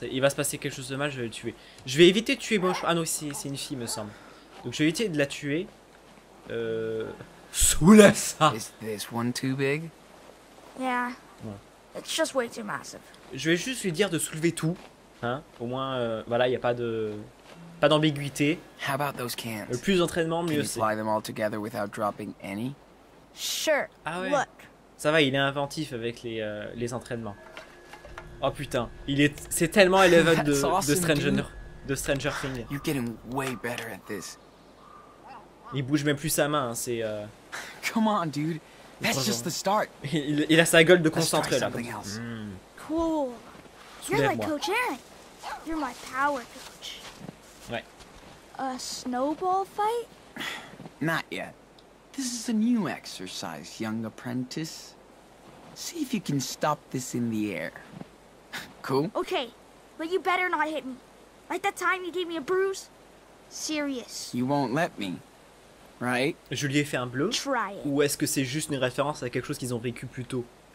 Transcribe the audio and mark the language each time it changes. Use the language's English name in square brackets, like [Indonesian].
[French] Il va se passer quelque chose de mal, je vais le tuer. Je vais éviter de tuer Mushroom. Ah non, c'est une fille, me semble. Donc je vais éviter de la tuer. Soulève ça. [English] Is this one too big? Yeah. Ouais. It's just way too massive. [French] Je vais juste lui dire de soulever tout. Hein. Au moins, voilà, il n'y a pas de... Pas d'ambiguïté. [English] How about those cans? [French] Le plus d'entraînement, mieux c'est. [English] Can you fly them all together without dropping any? Sure. [French] Ah ouais. [English] Look. [French] Ça va, il est inventif avec les entraînements. Oh putain, il est, c'est tellement élevé de Stranger Things. [English] You're getting way better at this. [French] Il bouge même plus sa main, hein, c'est. [English] Come on, dude. That's just the start. [French] Il a sa gueule de concentré là. Comme... [English] Cool. You're like Coach Aaron. You're my power coach. [French] Ouais. [English] A snowball fight? Not yet. This is a new exercise, young apprentice. See if you can stop this in the air. Cool? Okay, but you better not hit me. Like that time you gave me a bruise? Serious. You won't let me, right? [French] Je lui ai fait un bleu. [English] Try it. [French] Ou est-ce que c'est juste une référence à quelque chose qu'ils ont vécu plus tôt?